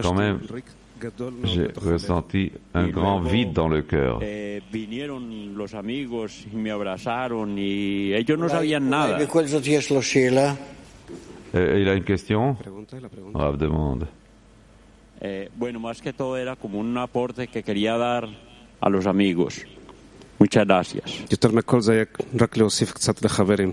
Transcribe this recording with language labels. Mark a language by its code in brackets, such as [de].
[fr] quand même, j'ai ressenti un grand vide dans le cœur. [es] Vinieron los amigos y me abrazaron y ellos no sabían nada. [fr] Il a une question. Rav demande. [es] Bueno, más que todo era como un aporte que quería dar a los amigos. Muchas gracias. [he] יותר מכל זה רק להוסיף קצת לחברים.